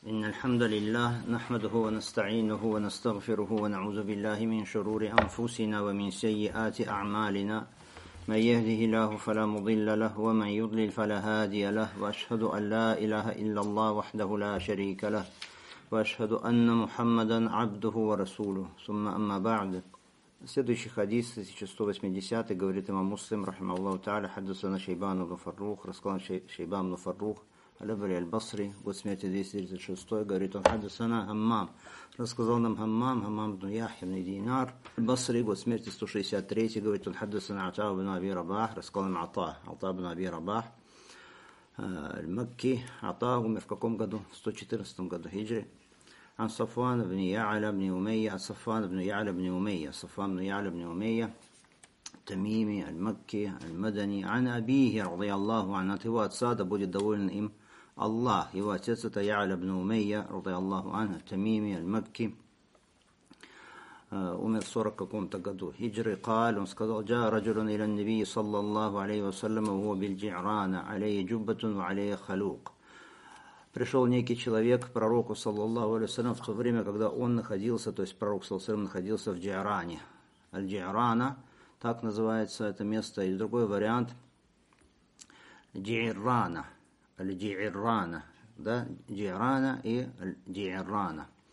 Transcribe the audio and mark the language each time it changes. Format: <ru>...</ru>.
<ar>الحمد لله نحمده ونستعينه ونستغفره ونعوذ بالله من شرور أنفسنا ومن سيئات أعمالنا من يهده الله فلا مضل له ومن يضلل فلا هادي له وأشهد أن لا إله إلا الله وحده لا شريك له وأشهد أن محمدا عبده ورسوله ثم أما بعد.</ar> <ru>Следующий хадис 1180 говорит имам Муслим رحمه الله تعالى</ru> <ar>حدثنا شيبان بن فروخ رسكان شيبان بن فروخ</ar> <ru>Аль-Абри Аль-Басри, год смерти 236, говорит он, хадисана Хаммам, рассказал нам Хаммам, Хаммам бин Яхья бин Динар. Аль-Басри, год смерти 163, говорит он, хадисана Ата бин Аби Рабах, рассказал им Ата, Ата бин Аби Рабах, Аль-Макки, Ата умер в каком году? В 114 году хиджри. Ан-Сафуан бин Яаля бин Умейя, Ан-Сафуан бин Яаля бин Умейя, Ан-Сафуан бин Яаля бин Умейя, Тамими, Аль-Макки, Аль-Мадани, Ан-Абихи, رضي الله عنه, от его отца, да будет доволен им Аллах. Его отец это Яаля бин Умейя, رضي الله عنه, Тамими, Аль-Макки, умер в 40 каком-то году.</ru> <ar>Хиджри قال,</ar> <ru>он сказал,</ru> <ar>جاء رجل إلى النبي صلى الله عليه وسلم, وهو بالجعران, عليه جبة وعليه خلوق.</ar> <ru>Пришел некий человек к пророку, саллаллаху алейхи ва саллям, в то время, когда он находился, то есть пророк, саллаллаху алейхи ва саллям, находился в Джиране. Аль-Джирана, так называется это место, и другой вариант Джирана, Аль-Джирана, да, Джирана и Аль-Джирана.</ru>